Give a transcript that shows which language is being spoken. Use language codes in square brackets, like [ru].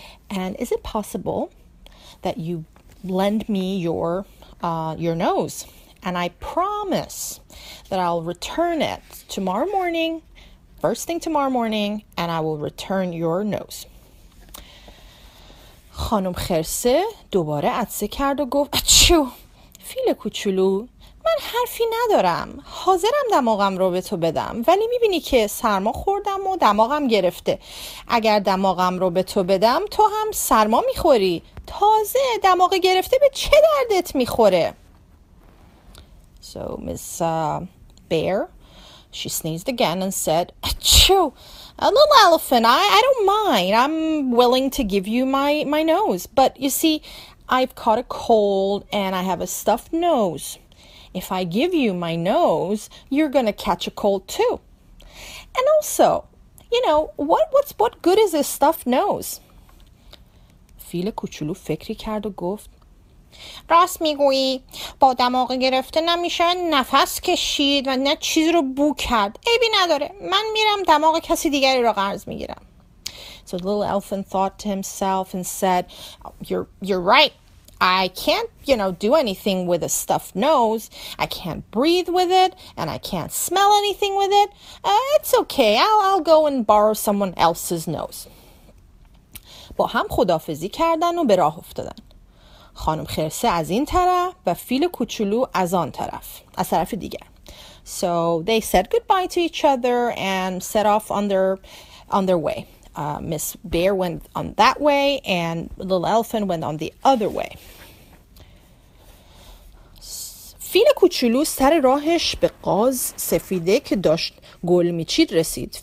[en] And is it possible that you lend me your nose? And I promise that I'll return it tomorrow morning, first thing tomorrow morning, and I will return your nose. [fa] خانم خرسه دوباره عطسه کرد و گفت اچو فیل کوچولو من حرفی ندارم، حاضرم دماغم رو به تو بدم، ولی میبینی که سرما خوردم و دماغم گرفته. اگر دماغم رو به تو بدم تو هم سرما میخوری، تازه دماغ گرفته به چه دردت میخوره؟ [en] So Miss Bear, she sneezed again and said, achoo, a little elephant, I don't mind. I'm willing to give you my nose. But you see, I've caught a cold and I have a stuffed nose. If I give you my nose, you're going to catch a cold too. And also, you know, what good is a stuffed nose? [fa] فیل کوچولو فکری کرد و گفت, راست میگویی، با دماغ گرفته نمیشه نفس کشید و نه چیز رو بو کرد. عیبی نداره، من میرم دماغ کسی دیگری رو قرض میگیرم. [en] So the little elephant thought to himself and said, you're right. I can't, you know, do anything with a stuffed nose. I can't breathe with it, and I can't smell anything with it. It's okay. I'll go and borrow someone else's nose. [fa] با هم خدافظی کردن و به راه افتادن. خانم خرسه از این طرف و فیل کوچولو از آن طرف، از طرف دیگر. [en] So they said goodbye to each other and set off on their way. Miss Bear went on that way and little elephant went on the other way. [fa] فیل کوچولو سر راهش به قاز سفیده که داشت گل میچید رسید.